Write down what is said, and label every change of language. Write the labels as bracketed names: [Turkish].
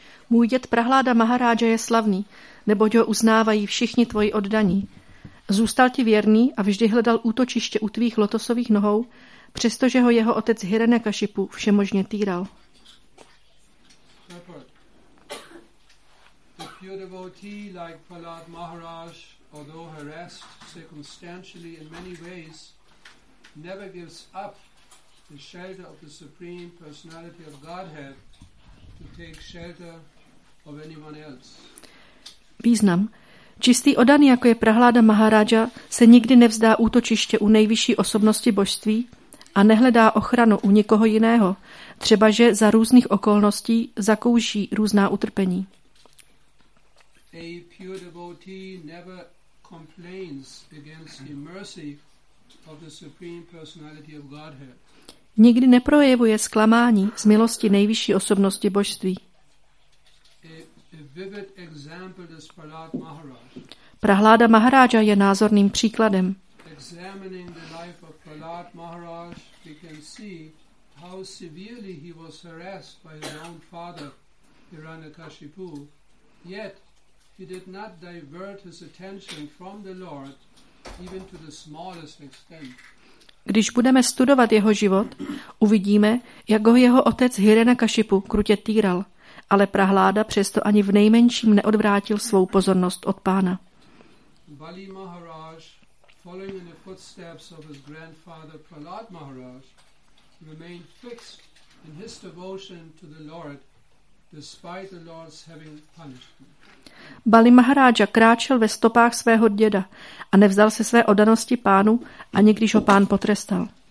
[Czech] Můj děd Prahláda Maharáže je slavný, neboť ho uznávají všichni tvoji oddaní. Zůstal ti věrný a vždy hledal útočiště u tvých lotosových nohou, přestože ho jeho otec Hiranyakashipu všemožně týral. [English] The pure devotee like Prahlad Maharaj, although harassed circumstantially in many ways, never gives up the shelter of the Supreme Personality of Godhead to take shelter of anyone else. [Czech] Význam. Čistý oddaný, jako je Prahláda Maharaja, se nikdy nevzdá útočiště u nejvyšší osobnosti božství a nehledá ochranu u nikoho jiného, třeba že za různých okolností zakouší různá utrpení. [English] A pure devotee never complains against the mercy of the Supreme Personality of Godhead. [Czech] Nikdy neprojevuje zklamání z milosti nejvyšší osobnosti božství. [English] Vivid example is Prahlad Maharaj. [Czech] Prahláda Maharaja je názorným příkladem. [English] Examining the life of Prahlad Maharaj, we can see how severely he was harassed by his own father, Hiranyakashipu. Yet he did not divert his attention from the Lord, even to the smallest extent. [Czech] Když budeme studovat jeho život, uvidíme, jak ho jeho otec Hiranyakashipu krutě týral. Ale Prahláda přesto ani v nejmenším neodvrátil svou pozornost od pána. [English] Bali Maharaj, following in the footsteps of his grandfather Prahlad Maharaj, remained fixed in his devotion to the Lord, despite the Lord's having punished him. [Czech] Bali Maharaja kráčel ve stopách svého děda a nevzdal se své oddanosti pánu, ani když ho pán potrestal.